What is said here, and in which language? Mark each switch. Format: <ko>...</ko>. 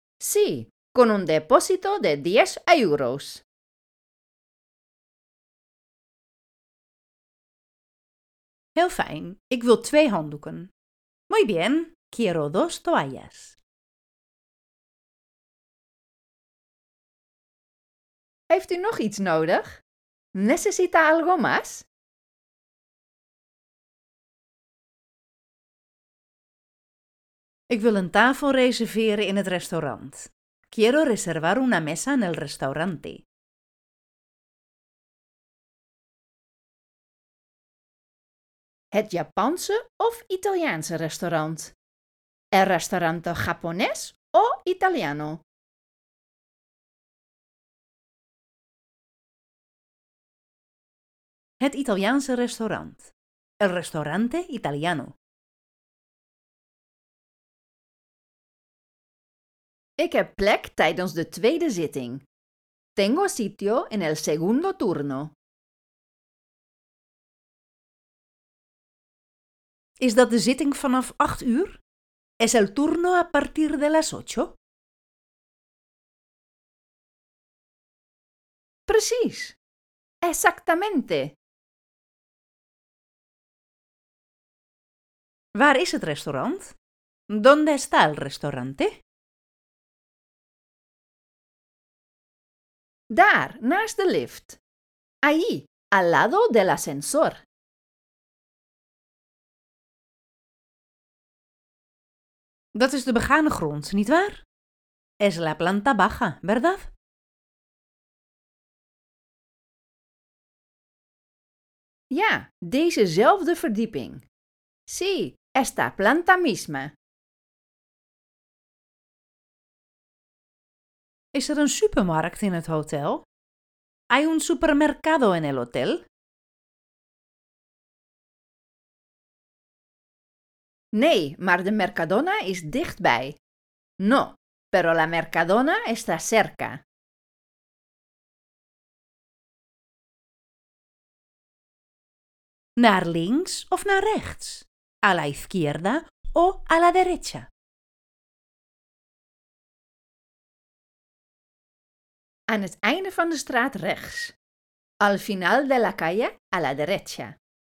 <es>Sí, con un depósito de 10 euros.</es> <nl>Heel fijn, ik wil 2 handdoeken.</nl> <es>Muy bien, quiero 2 toallas.</es> <nl>Heeft u nog iets nodig?</nl> <es>¿Necesita algo más?</es> <nl>Ik wil een tafel reserveren in het restaurant.</nl> <es>Quiero reservar una mesa en el restaurante.</es> <nl>het Japanse of Italiaanse restaurant?</nl> <es>El restaurante japonés o italiano?</es> <nl>Het Italiaanse restaurant.</nl> <es>El restaurante italiano.</es> <nl>Ik heb plek tijdens de tweede zitting.</nl> <es>Tengo sitio en el segundo turno.</es> <nl>Is dat de zitting vanaf 8 uur?</nl> <es>Es el turno a partir de las 8?</es> <nl>Precies. Exactamente. Waar is het restaurant?</nl> <es>¿Dónde está el restaurante?</es> <nl>Daar, naast de lift.</nl> <es>Allí, al lado del ascensor.</es> <nl>Dat is de begane grond, nietwaar?</nl> <es>Es la planta baja, ¿verdad?</es> <nl>Ja, dezezelfde verdieping.</nl> <es>Sí, esta planta misma.</es> <nl>Is er een supermarkt in het hotel?</nl> <es>¿Hay un supermercado en el hotel?</es> <nl>Nee, maar de Mercadona is dichtbij.</nl> <es>No, pero la Mercadona está cerca.</es> <nl>Naar links of naar rechts?</nl> <es>A la izquierda o a la derecha?</es> <nl>Aan het einde van de straat rechts.</nl> <es>Al final de la calle a la derecha.</es>